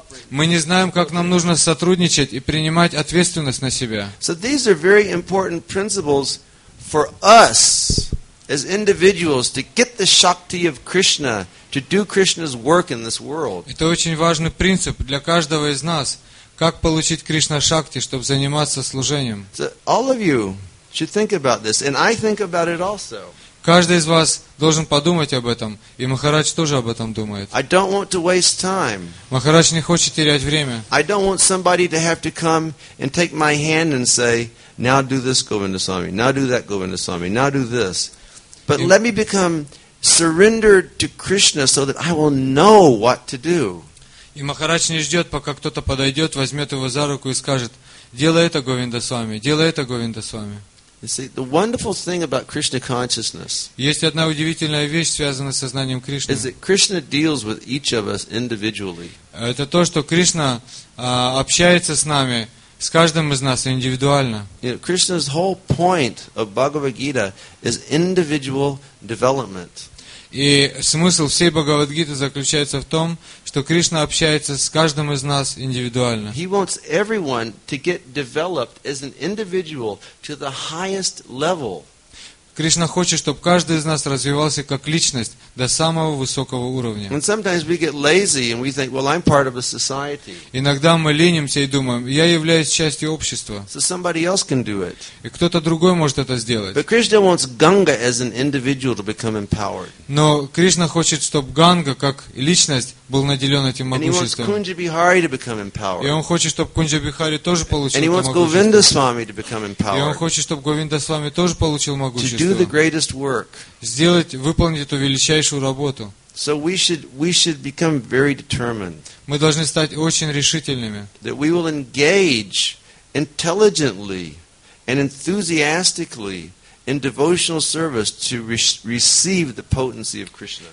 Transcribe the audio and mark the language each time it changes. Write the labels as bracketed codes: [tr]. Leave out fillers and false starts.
[ru] Мы не знаем, как нам нужно сотрудничать и принимать ответственность на себя. [en] So these are very important principles for us as individuals to get the shakti of Krishna to do Krishna's work in this world. [ru] Это очень важный принцип для каждого из нас, как получить Кришна шакти, чтобы заниматься служением. [en] So all of you should think about this, and I think about it also. [ru] Каждый из вас должен подумать об этом, и Махарадж тоже об этом думает. [en] I don't want to waste time. [ru] Махарадж не хочет терять время. [en] I don't want somebody to have to come and take my hand and say, now do this, Govinda Swami. Now do that, Govinda Swami. Now do this. But let me become surrendered to Krishna so that I will know what to do. [ru] И Махарадж не ждет, пока кто-то подойдет, возьмет его за руку и скажет, делай это, Говинда Свами, делай это, Говинда Свами. [en] The wonderful thing about Krishna consciousness. [ru] Есть одна удивительная вещь, связанная с сознанием Кришны. [en] Is that Krishna deals with each of us individually. [ru] Это то, что Кришна общается с нами, с каждым из нас индивидуально. [en] Krishna's whole point of Bhagavad Gita is individual development. [ru] И смысл всей Бхагавад Гиты заключается в том, что Кришна общается с каждым из нас индивидуально. [en] He wants everyone to get developed as an individual to the highest level. [ru] Кришна хочет, чтобы каждый из нас развивался как личность до самого высокого уровня. [en] And sometimes we get lazy and we think, well, I'm part of a society. [ru] Иногда мы ленимся и думаем, я являюсь частью общества. [en] So somebody else can do it. [ru] И кто-то другой может это сделать. [en] But Krishna wants Ganga as an individual to become empowered. [ru] Но Кришна хочет, чтобы Ганга как личность был наделен этим могуществом. [en] And he wants Kunja Bihari to become empowered. [ru] И он хочет, чтобы Кунджа Бихари тоже получил [en] And he wants [ru] это могущество. [en] Govinda Swami to become empowered. [ru] И он хочет, чтобы Говинда Свами тоже получил могущество. [en] To do the greatest work. [ru] Сделать, выполнить эту величайшую работу. [en] So we should become very determined. [ru] Мы должны стать очень решительными. [en] That we will engage intelligently and enthusiastically in devotional service to receive the potency of Krishna.